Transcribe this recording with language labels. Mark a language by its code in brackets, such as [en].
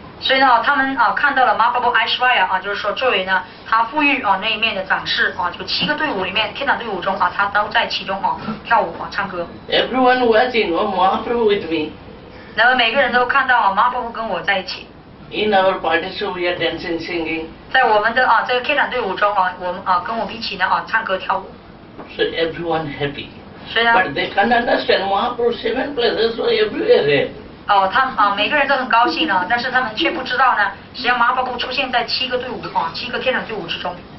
[zh] 所以呢，他们啊看到了 Mahaprabhu Aishwarya 啊，就是说作为呢他富裕啊那一面的展示啊，就七个队伍里面天堂队伍中啊，他都在其中啊跳舞啊唱歌。 [en] Everyone watching, oh Mahaprabhu with me. [zh] 那么每个人都看到啊 Mahaprabhu 跟我在一起。 [en] In our party, so we are dancing, singing. [zh] 在我们的啊这个天堂队伍中啊，我们啊跟我们一起呢啊唱歌跳舞。 [en] So everyone happy. [zh] 所以呢。 [en] But they can't understand Mahaprabhu seven places, so everywhere. [zh] 哦，他啊、哦，每个人都很高兴呢、哦，但是他们却不知道呢，实际上马可波出现在七个队伍啊、哦，七个天堂队伍之中。